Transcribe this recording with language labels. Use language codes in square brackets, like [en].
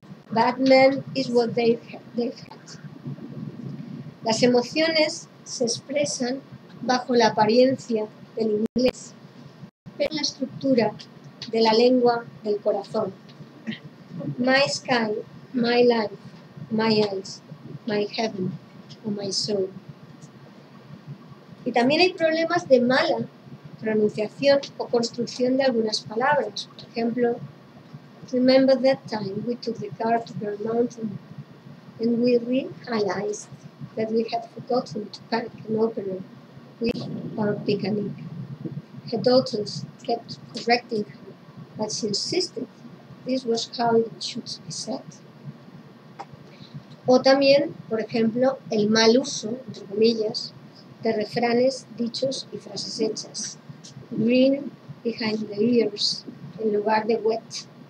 [en] Bad men is what they've had. [es] Las emociones se expresan bajo la apariencia del inglés, pero en la estructura de la lengua del corazón. [en] My sky, my life, my eyes, my heaven, or my soul. [es] Y también hay problemas de mala pronunciación o construcción de algunas palabras. Por ejemplo, [en] remember that time we took the car to Bear Mountain and we realized that we had forgotten to pack an opener with our picnic. Her daughters kept correcting her, but she insisted this was how it should be said. [es] O también, por ejemplo, el mal uso, entre comillas, de refranes, dichos y frases hechas. [en] Green behind the ears, [es] en lugar de [en] wet.